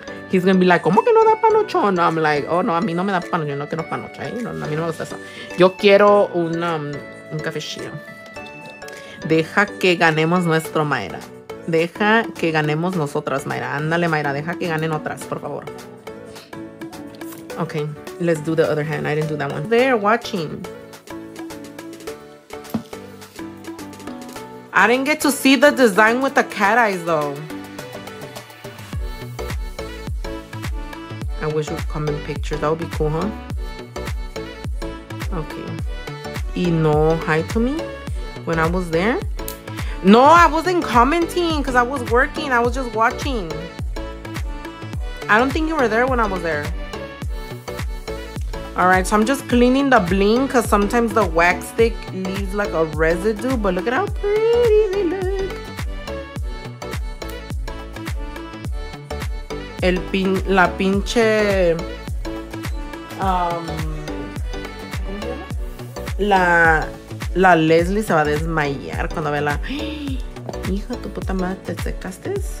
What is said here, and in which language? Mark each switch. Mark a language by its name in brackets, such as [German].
[English] He's gonna be like, [Spanish] ¿cómo que no da panocho? No, [English] I'm like, oh, no, [Spanish] a mí no me da panocho. Yo no quiero panocho, ¿eh? No, a mí no me gusta eso. Yo quiero un café chido. Deja que ganemos nuestro, Mayra. Deja que ganemos nosotras, Mayra. Ándale, Mayra, deja que ganen otras, por favor. [English] Okay, let's do the other hand. I didn't do that one. They're watching. I didn't get to see the design with the cat eyes, though. I wish we'd come in pictures. That would be cool, huh? Okay. Y no hi to me when I was there? No, I wasn't commenting because I was working. I was just watching. I don't think you were there when I was there. All right, so I'm just cleaning the bling because sometimes the wax stick leaves like a residue, but look at how pretty they look. [Spanish] El pin, la pinche, la Leslie se va a desmayar cuando ve la, hija, tu puta madre, ¿te secaste?